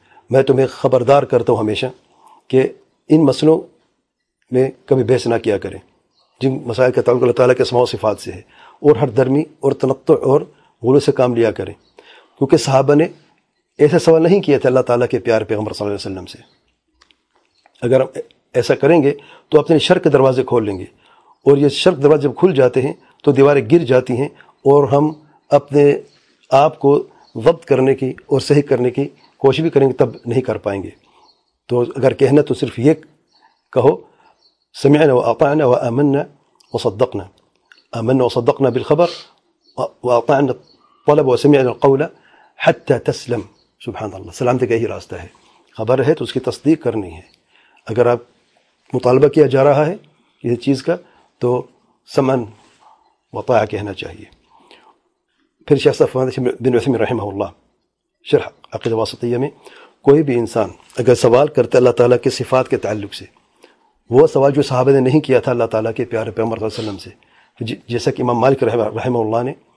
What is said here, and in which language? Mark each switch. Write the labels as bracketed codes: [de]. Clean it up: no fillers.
[ur] میں تمہیں خبردار کرتا ہوں ہمیشہ کہ ان مسئلوں میں کبھی بحث نہ کیا کریں جن مسائل کا تعلق اللہ تعالیٰ کے اسماء و صفات سے ہے، اور ہر درمی اور تنطع اور غلو سے کام لیا کریں، کیونکہ صحابہ نے ایسا سوال نہیں کیا تھا اللہ تعالیٰ کے پیارے پیغمبر صلی اللہ علیہ وسلم سے. اگر ہم ایسا کریں گے تو اپنے شرک کے دروازے کھول لیں گے، اور یہ شرک دروازے جب کھل جاتے ہیں تو دیواریں گر جاتی ہیں اور ہم اپنے آپ کو ضبط کرنے کی اور صحیح کرنے کی کوشش بھی کریں گے تب نہیں کر پائیں گے. تو اگر کہنا تو صرف یہ کہو، [ar] سمعنا واطعنا وآمنا وصدقنا، آمنا وصدقنا بالخبر واطعنا الطلب وسمعنا القول حتى تسلم. [ur] سبحان اللہ، سلامتی کا یہی راستہ ہے. خبر ہے تو اس کی تصدیق کرنی ہے. اگر آپ مطالبہ کیا جا رہا ہے کسی چیز کا تو سمن وطاع کہنا چاہیے. پھر شیخ صاحب فرماتے ہیں بن عثیمین رحمہ اللہ شرح عقیدہ واسطیہ میں، کوئی بھی انسان اگر سوال کرتا اللہ تعالیٰ کے صفات کے تعلق سے، وہ سوال جو صحابہ نے نہیں کیا تھا اللہ تعالیٰ کے پیارے پیغمبر صلی اللہ علیہ وسلم سے، جیسا کہ امام مالک رحمہ اللہ نے